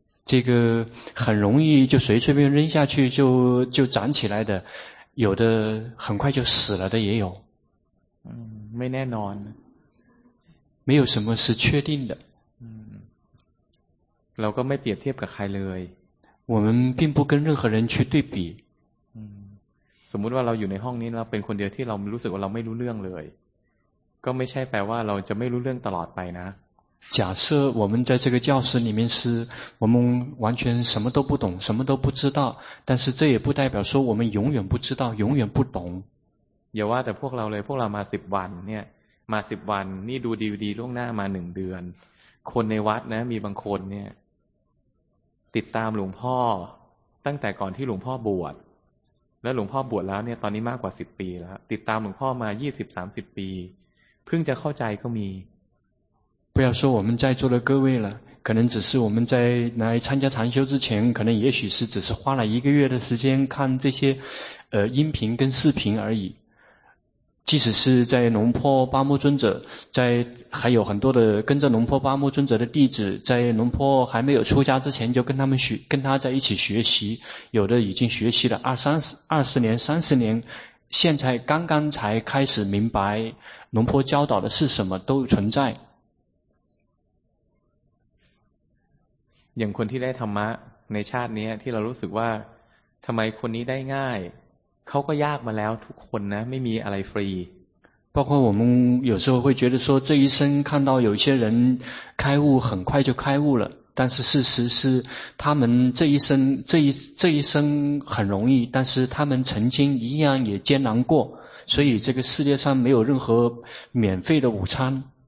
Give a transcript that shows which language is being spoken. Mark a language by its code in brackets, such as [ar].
[zh] 这个很容易就随随便扔下去就长起来的有的很快就死了的也有 [th] ไม่แน่นอน [zh] 没有什么是确定的 [th] เราก็ไม่เปรียบเทียบกับใครเลย [zh] 我们并不跟任何人去对比 [th] สมมุติว่าเราอยู่ในห้องนี้เราเป็นคนเดียวที่เรารู้สึกว่าเราไม่รู้เรื่องเลยก็ไม่ใช่แปลว่าเราจะไม่รู้เรื่องตลอดไปนะ [zh] 假设我们在这个教室里面是我们完全什么都不懂什么都不知道但是这也不代表说我们永远不知道永远不懂 [th] อย่าว่าแต่พวกเราเลยพวกเรามา10วันเนี่ยมา10วันนี่ดูดีๆล่วงหน้ามา1เดือนคนในวัดนะมีบางคนเนี่ยติดตามหลวงพ่อตั้งแต่ก่อนที่หลวงพ่อบวชแล้วหลวงพ่อบวชแล้วเนี่ยตอนนี้มากกว่า10ปีแล้วติดตามหลวงพ่อมา20 30ปีเพิ่งจะเข้าใจก็มี [zh] 不要说我们在座的各位了可能只是我们在来参加禅修之前可能也许是只是花了一个月的时间看这些音频跟视频而已即使是在龙坡巴木尊者，在还有很多的跟着龙坡巴木尊者的弟子，在龙坡还没有出家之前就跟他们学，跟他在一起学习，有的已经学习了二十年、三十年，现在刚刚才开始明白龙坡教导的是什么，都存在。 [th] อย่างคนที่ได้ธรรมะในชาตินี้ที่เรารู้สึกว่าทำไมคนนี้ได้ง่ายเขาก็ยากมาแล้วทุกคนนะไม่มีอะไรฟรี [zh] 包括我们有时候会觉得说这一生看到有些人开悟很快就开悟了但是事实是他们这一生很容易但是他们曾经一样也艰难过所以这个世界上没有任何免费的午餐